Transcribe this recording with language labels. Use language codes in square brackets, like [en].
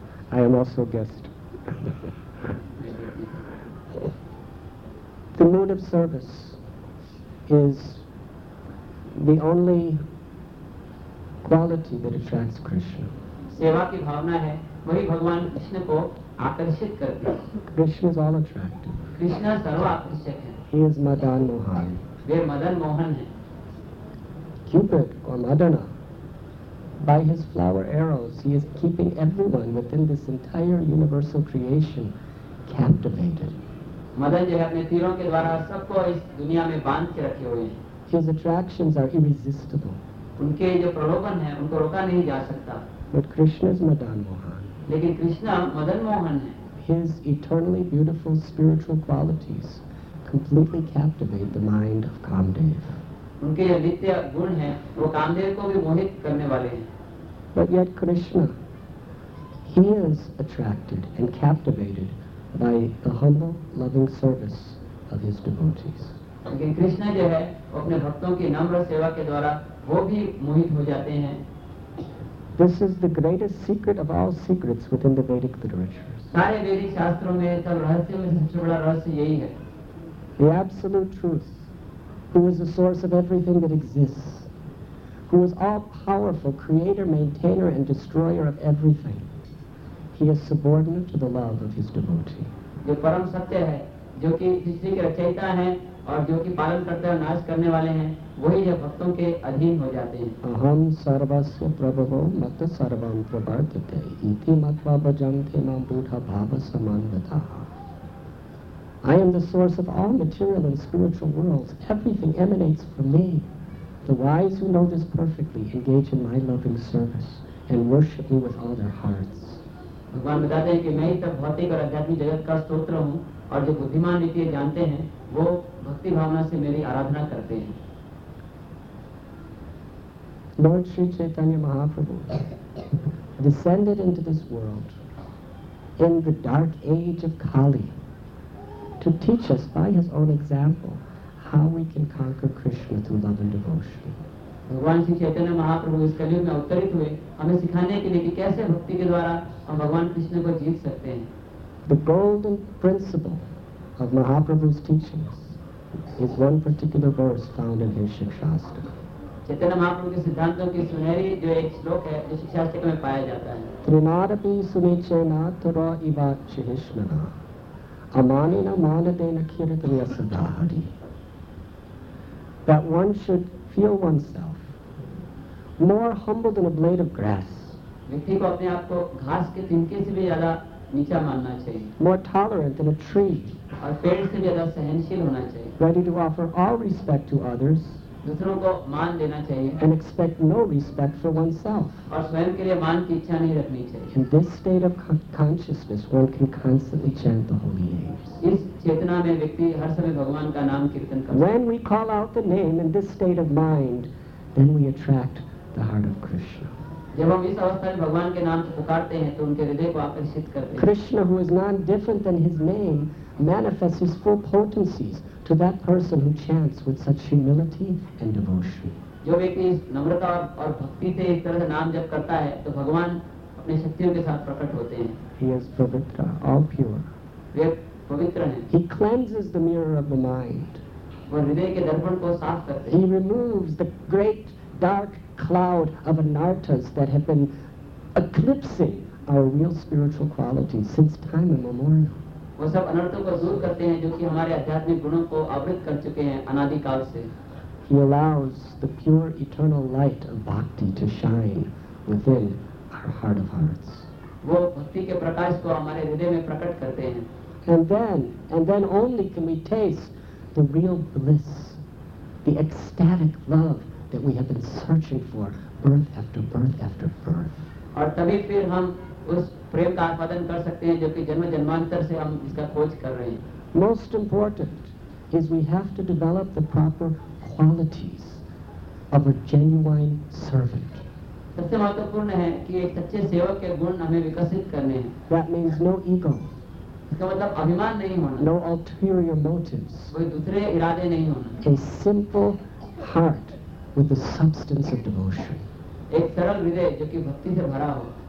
[en] I am also a guest. The mood of service is the only quality that attracts Krishna. [hi] सेवा की भावना है वही भगवान कृष्ण को आकर्षित करती है. [en] Krishna is all attractive. [hi] Krishna सर्व आकर्षक है. [en] He is Madan Mohan. [hi] वे मदन मोहन हैं. [en] Cupid or Madonna. By his flower arrows, he is keeping everyone within this entire universal creation captivated. [hi] Madan ji अपने तीरों के द्वारा सबको इस दुनिया में बांध के रखे हुए हैं. [en] His attractions are irresistible. [hi] उनके जो प्रलोभन है उनको रोका नहीं जा सकता. [en] But Krishna is Madan Mohan. [hi] लेकिन कृष्णा मदन मोहन है. [en] His eternally beautiful spiritual qualities completely captivate the mind of Kamdev. [hi] उनके जो नित्य गुण हैं वो कामदेव को भी मोहित करने वाले हैं. [en] But yet Krishna, he is attracted and captivated by the humble, loving service of his devotees. [hi] लेकिन कृष्णा जो है वो अपने भक्तों की नम्र सेवा के द्वारा वो भी मोहित हो जाते हैं. [en] This is the greatest secret of all secrets within the Vedic literature. [hi] सारे वैदिक शास्त्रों में तो रहस्य में सबसे बड़ा रहस्य यही है. [en] The absolute truth, who is the source of everything that exists, who is all powerful, creator, maintainer, and destroyer of everything, he is subordinate to the love of his devotee. [hi] जो परम सत्य है, जो कि सृष्टि के रचयिता है और जो कि पालन करते और नाश करने वाले हैं, वही जो भक्तों के अधीन हो जाते हैं. [sa] अहम् सर्वस्य प्रभवो मत सर्वं प्रवर्तते इति मत्वा भजन्ते मां बुद्धा भाव समन्वितः. [en] I am the source of all material and spiritual worlds. Everything emanates from me. The wise who know this perfectly engage in my loving service and worship me with all their hearts. [hi] भगवान बताते हैं कि मैं ही सब भौतिक और आध्यात्मिक जगत का स्रोत हूँ और जो बुद्धिमान नीति जानते हैं वो भक्ति भावना से मेरी आराधना करते हैं. [en] Lord Sri Chaitanya Mahaprabhu descended into this world in the dark age of Kali. To teach us by his own example how we can conquer Krishna through love and devotion. [hi] भगवान श्री चैतन्य महाप्रभु इस कलयुग में अवतरित हुए हमें सिखाने के लिए कि कैसे भक्ति के द्वारा हम भगवान कृष्ण को जीत सकते हैं. [en] The golden principle of Mahaprabhu's teachings is one particular verse found in his Shikshastra. [hi] Chaitanya Mahaprabhu के सिद्धांतों की सुनहरी जो एक श्लोक है जो शिक्षास्त्र में पाया जाता है. [sa] त्रिनादपि सुनिचेना तुरो इवाच्यहिष्मना Amanina manadena kiritriya sadhari. [en] That one should feel oneself more humble than a blade of grass. [hi] व्यक्ति को अपने आप को घास के तिनके से भी ज्यादा नीचा मानना चाहिए. [en] More tolerant than a tree. [hi] और पेड़ से ज्यादा सहनशील होना चाहिए. [en] Ready to offer all respect to others. [hi] दूसरों को मान देना चाहिए. [en] And expect no respect for oneself. [hi] और स्वयं के लिए मान की इच्छा नहीं रखनी चाहिए. [en] In this state of consciousness, one can constantly chant the holy names. [hi] इस चेतना में व्यक्ति हर समय भगवान का नाम कीर्तन करता है. [en] When we call out the name in this state of mind, then we attract the heart of Krishna. [hi] जब हम इस अवस्था में भगवान के नाम को पुकारते हैं तो उनके हृदय को आकर्षित करते हैं. [en] Krishna, who is non different than his name, manifests his full potencies to that person who chants with such humility and devotion. [hi] जो व्यक्ति नम्रता और भक्ति से इस तरह से नाम जप करता है तो भगवान अपने शक्तियों के साथ प्रकट होते हैं. [en] He is pavitra, all pure. [hi] वे पवित्र हैं. [en] He cleanses the mirror of the mind. [hi] वो हृदय के दर्पण को साफ करते हैं. [en] He removes the great dark cloud of anartas that have been eclipsing our real spiritual qualities since time immemorial. [hi] वो सब अनर्थों को दूर करते हैं जो कि हमारे आध्यात्मिक गुणों को आवृत कर चुके हैं अनादि काल से. [en] He allows the pure eternal light of bhakti to shine within our heart of hearts. [hi] वो भक्ति के प्रकाश को हमारे हृदय में प्रकट करते हैं. [en] And then only can we taste the real bliss, the ecstatic love that we have been searching for birth after birth after birth. [hi] और तभी फिर हम उस प्रेम का आस्वादन कर सकते हैं जो कि जन्म जन्मांतर से हम इसका खोज कर रहे हैं. [en] Most important is we have to develop the proper qualities of a genuine servant. [hi] सबसे महत्वपूर्ण है कि एक सच्चे सेवक के गुण हमें विकसित करने हैं. [en] That means no ego. [hi] इसका मतलब अभिमान नहीं होना. [en] No ulterior motives. [hi] कोई दूसरे इरादे नहीं होना. [en] A simple heart with the substance of devotion. [hi] एक सरल हृदय जो कि भक्ति से भरा हो.